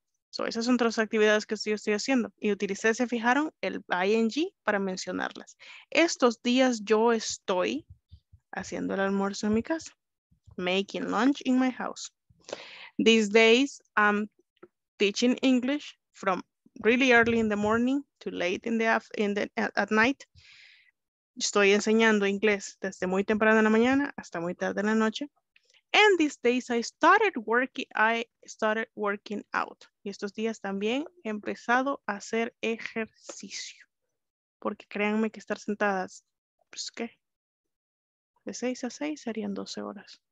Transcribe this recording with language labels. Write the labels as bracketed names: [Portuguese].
[Spanish] So esas son otras actividades que yo estoy haciendo. Y utilicé, se fijaron, el ING para mencionarlas. Estos días yo estoy haciendo el almuerzo en mi casa. [English] Making lunch in my house. These days I'm teaching English from really early in the morning to late in the at night. [Spanish] Estoy enseñando inglés desde muy temprano en la mañana hasta muy tarde en la noche. [English] And these days I started working out. [Spanish] Y estos días también he empezado a hacer ejercicio. Porque créanme que estar sentadas, pues qué, de 6 a 6 serían 12 horas.